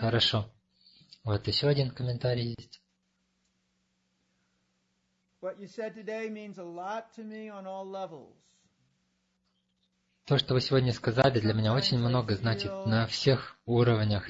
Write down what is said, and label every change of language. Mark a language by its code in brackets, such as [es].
[ru] Хорошо, вот еще один комментарий есть. [en] What you said today means a lot to me on all levels. [ru] То, что вы сегодня сказали, для меня очень много значит на всех уровнях.